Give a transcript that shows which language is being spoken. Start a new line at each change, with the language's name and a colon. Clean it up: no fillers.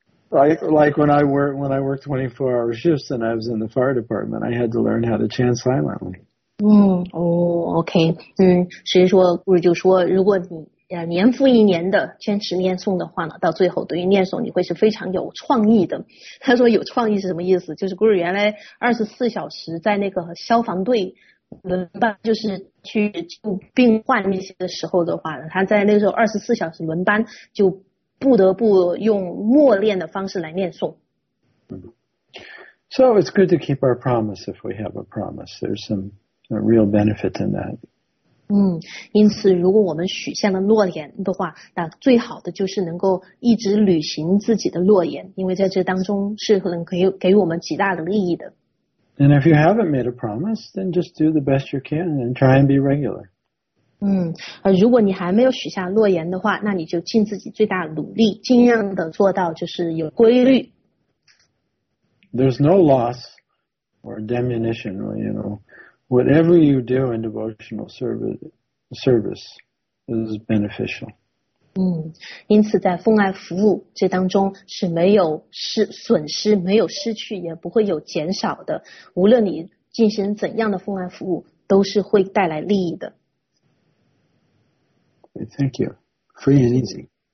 English: Like when I worked 24-hour shifts and I was in the fire department, I had to learn how to chant silently.
Chinese: 嗯，哦，OK，嗯，所以说，我就说，如果你年复一年的坚持念诵的话呢，到最后对于念诵你会是非常有创意的。他说有创意是什么意思？就是 Guru 原来24小时在那个消防队轮班，就是去救病患那些的时候的话呢，他在那个时候24小时轮班就不得不用默念的方式来念诵。
English: So it's good to keep our promise if we have a promise. There's some real benefit in that.
Chinese: 嗯，因此如果我们许下了诺言的话，那最好的就是能够一直履行自己的诺言，因为在这当中是能给我们极大的利益的。
English: And if you haven't made a promise, then just do the best you can and try and be regular.
Chinese: 嗯，如果你还没有许下诺言的话，那你就尽自己最大努力，尽量的做到就是有规律。
English: There's no loss or diminution, you know. Whatever you do in devotional service is beneficial.
Chinese: 嗯，因此在奉爱服务这当中是没有损失，没有失去，也不会有减少的。无论你进行怎样的奉爱服务，都是会带来利益的。
English: Thank you. Free and easy.